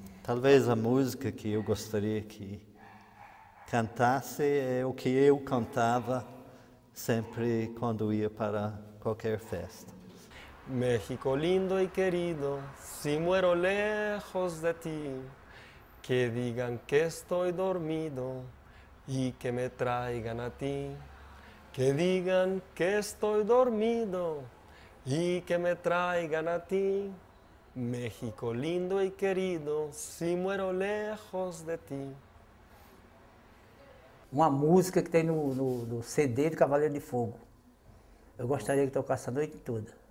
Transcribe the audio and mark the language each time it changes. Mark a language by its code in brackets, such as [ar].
[pt] Talvez a música que eu gostaria que cantasse é o que eu cantava sempre quando ia para qualquer festa. [es] México lindo e querido, si muero lejos de ti, que digan que estoy dormido y que me traigan a ti. Que digan que estoy dormido y que me traigan a ti. México lindo y querido, si muero lejos de ti. [pt] Uma música que tem no CD do Cavaleiro de Fogo. Eu gostaria que tocasse a noite toda.